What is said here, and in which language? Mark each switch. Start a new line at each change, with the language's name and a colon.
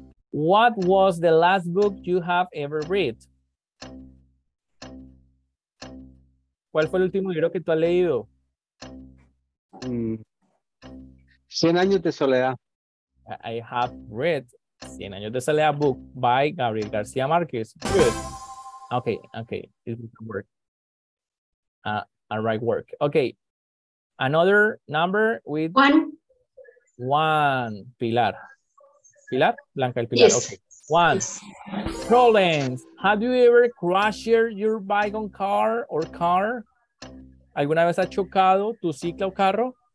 English: What was the last book you have ever read?
Spanish: ¿Cuál fue el último libro que tú has leído? 100 años de soledad.
English: I have read 100 años de soledad book by Gabriel García Márquez. Good. Okay. It will work. All right. Okay. Another number with... One. Pilar? Blanca el Pilar. Yes. Okay. One. Problems. Have you ever crashed your bike on car or car?
Spanish: ¿Alguna vez has chocado tu cicla o carro?